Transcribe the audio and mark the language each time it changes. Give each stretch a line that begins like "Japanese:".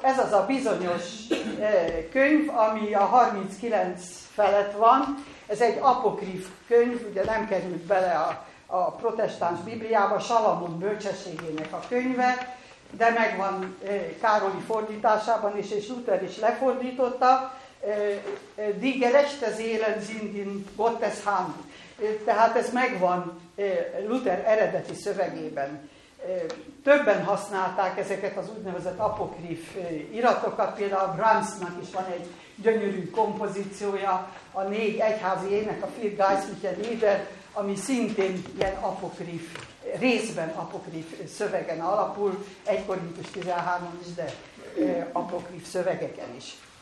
Hungarian: Ez az a bizonyos könyv, ami a 39 felett van. Ez egy apokrif könyv, ugye nem került bele a protestáns Bibliába, Salamon bölcsességének a könyve, de megvan Károli fordításában is, és Luther is lefordította.
German: Die gerechte Seelen sind in Gottes Hand.
Hungarian: Tehát ez megvan Luther eredeti szövegében. Többen használták ezeket az úgynevezett apokrif iratokat, például Brahmsnak is van egy gyönyörű kompozíciója, a négy egyházi ének, a Vier Geistliche Lieder, ami szintén ilyen apokrif, részben apokrif szövegen alapul, 1 Korintus 13 is, de apokrif szövegeken is.